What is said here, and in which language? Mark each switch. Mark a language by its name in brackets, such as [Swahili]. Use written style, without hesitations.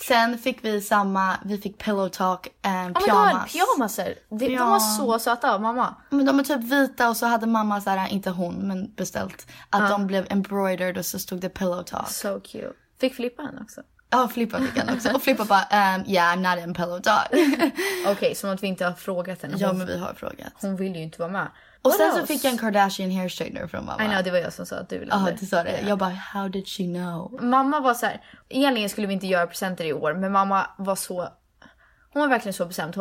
[Swedish] Sen fick vi samma, vi fick pillow talk and pyjamas. Ja, men du har pyjamaser. De var så söta, mamma. Men de är typ vita och så hade mamma så här, inte hon, men beställt. Att de blev embroidered och så stod det pillow talk. [English] So cute. [Swedish] Fick Filippa en också. Ja, Filippa fick en också. Och Filippa bara, [English] yeah, I'm not in pillow talk. [Swedish] Okej, okay, som att vi inte har frågat henne. Ja, men vi har frågat. Hon vill ju inte vara med. Och sen så fick jag en Kardashian hair straightener från mamma. [English] I know, [Swedish] det var jag som sa att du ville. Ja, du sa det. Jag bara, [English] how did she know? [Swedish] Mamma var så här, egentligen skulle vi inte göra presenter i år. Men mamma var så, hon var verkligen så bestämd.